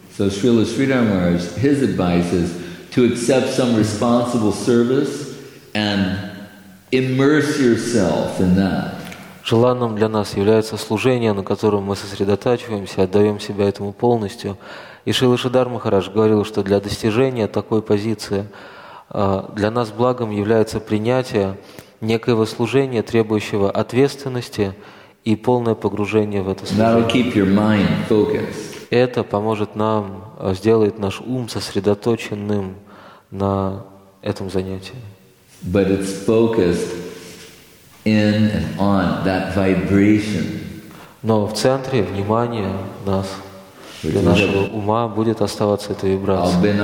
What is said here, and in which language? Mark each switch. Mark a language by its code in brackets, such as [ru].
[en] So Srila Sridhar Maharaj, his advice is to accept some responsible service and immerse yourself in that. [ru] Желанным для нас является служение, на котором мы сосредотачиваемся, отдаем себя этому полностью. И Шрила Шридхар Махарадж говорил, что для достижения такой позиции для нас благом является принятие некоего служения, требующего ответственности и полное погружение в это служение. Это поможет нам, сделает наш ум сосредоточенным на этом занятии. [en] But it's focused in and on that vibration. [ru] Но в центре внимания нас, для нашего ума, будет оставаться эта вибрация.